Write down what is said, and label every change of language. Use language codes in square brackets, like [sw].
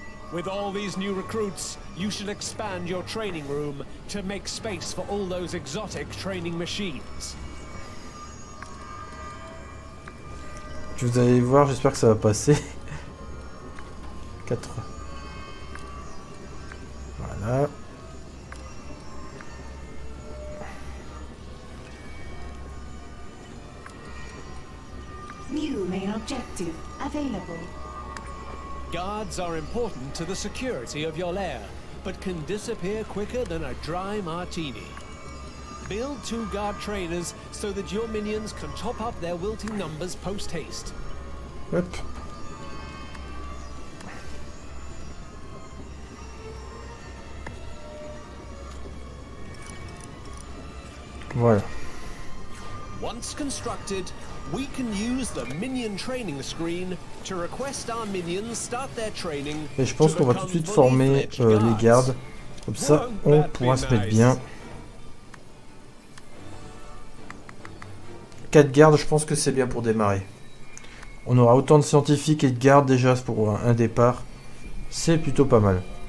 [en] With all these new recruits, you should expand your training room to make space for all those exotic training machines. [fr] Je vous allez voir, j'espère que ça va passer. 4. Voilà. [en] New main objective available. Guards are important to the security of your lair, but can disappear quicker than a dry martini. Build 2 guard trainers so that your minions can top up their wilting numbers post haste. [fr] Hop. Voilà. [en] Once constructed, we can use the minion training screen to request our minions start their training. [fr] Et je pense qu'on va tout de suite former les gardes. Comme ça, on pourra se mettre bien. 4 gardes, je pense que c'est bien pour démarrer. On aura autant de scientifiques et de gardes déjà pour un départ. C'est plutôt pas mal.